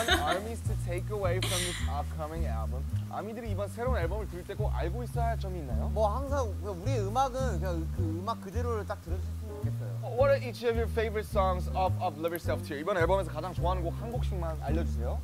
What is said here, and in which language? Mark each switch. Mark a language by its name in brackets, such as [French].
[English] Do you want armies to take away from this upcoming album? [Korean] 아미들이 이번 새로운 앨범을 들을 때 꼭 알고 있어야 할 점이 있나요? 뭐 항상 우리의 음악은 그냥 그 음악 그대로를 딱 들으셨으면 좋겠어요. [English] What are each of your favorite songs of Love Yourself Tear? [Korean] 이번 앨범에서 가장 좋아하는 곡 한 곡씩만 알려주세요.